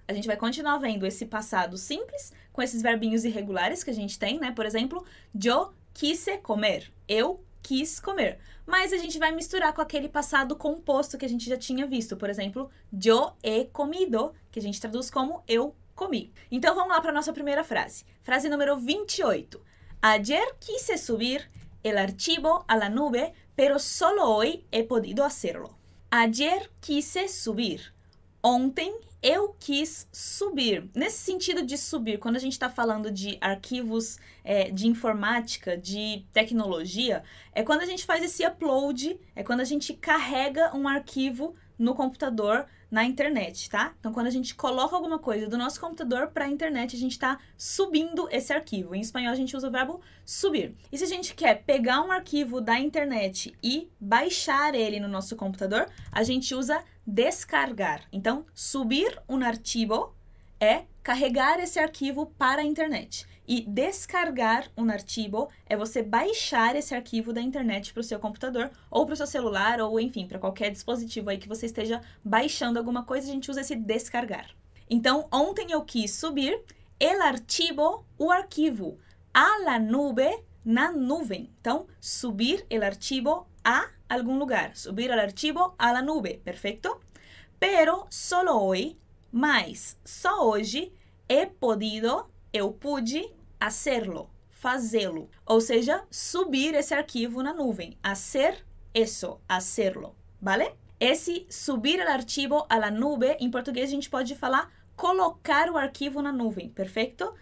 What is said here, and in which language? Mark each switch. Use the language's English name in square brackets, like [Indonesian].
[Portuguese] A gente vai continuar vendo esse passado simples com esses verbinhos irregulares que a gente tem, né? Por exemplo, [Spanish] yo quise comer. [Portuguese] Eu quis comer. Mas a gente vai misturar com aquele passado composto que a gente já tinha visto. Por exemplo, [Spanish] yo he comido, [Portuguese] que a gente traduz como eu comi. Então, vamos lá para a nossa primeira frase. Frase número 28. [Spanish] Ayer quise subir el archivo a la nube, pero solo hoy he podido hacerlo. Ayer quise subir. [Portuguese] Ontem eu quis subir. Nesse sentido de subir, quando a gente está falando de arquivos de informática, de tecnologia, é quando a gente faz esse upload, é quando a gente carrega um arquivo no computador, na internet, tá? Então, quando a gente coloca alguma coisa do nosso computador para a internet, a gente está subindo esse arquivo. Em espanhol, a gente usa o verbo subir. E se a gente quer pegar um arquivo da internet e baixar ele no nosso computador, a gente usa descargar. Então, [Spanish] subir un archivo [Portuguese] é carregar esse arquivo para a internet. E [Spanish] descargar un archivo [Portuguese] é você baixar esse arquivo da internet para o seu computador ou para o seu celular ou, enfim, para qualquer dispositivo aí que você esteja baixando alguma coisa, a gente usa esse descargar. Então, ontem eu quis subir [Spanish] el archivo, [Portuguese] o arquivo, [Spanish] a la nube, [Portuguese] na nuvem. Então, [Spanish] subir el archivo [Portuguese] a algum lugar. [Spanish] Subir el archivo a la nube, [Portuguese] perfeito? [Spanish] Pero solo hoy, [Portuguese] mas só hoje, [Spanish] he podido... [Portuguese] Eu pude [Spanish] hacerlo, [Portuguese] fazê-lo. Ou seja, subir esse arquivo na nuvem. [Spanish] Hacer eso, hacerlo. Vale? [Portuguese] Esse [Spanish] subir el archivo a la nube, [Portuguese] em português a gente pode falar colocar o arquivo na nuvem. Perfeito?